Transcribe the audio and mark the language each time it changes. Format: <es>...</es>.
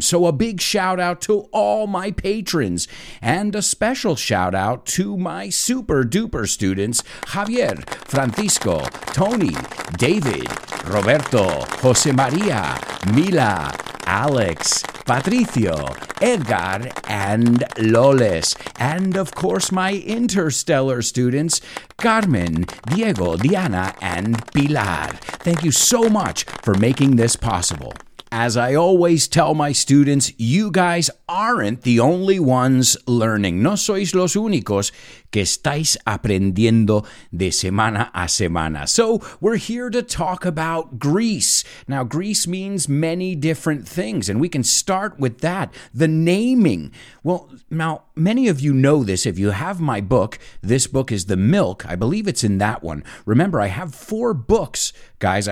<en>So a big shout out to all my patrons, and a special shout out to my super duper students, Javier, Francisco, Tony, David, Roberto, Jose Maria, Mila, Alex, Patricio, Edgar, and Loles. And of course, my interstellar students, Carmen, Diego, Diana, and Pilar. Thank you so much for making this possible. As I always tell my students, you guys aren't the only ones learning.</en> <es>No sois los únicos que estáis aprendiendo de semana a semana.</es> <en>So we're here to talk about Greece. Now, Greece means many different things, and we can start with that, the naming. Well, now, many of you know this. If you have my book, this book is The Milk. I believe it's in that one. Remember, I have four books, guys.</en>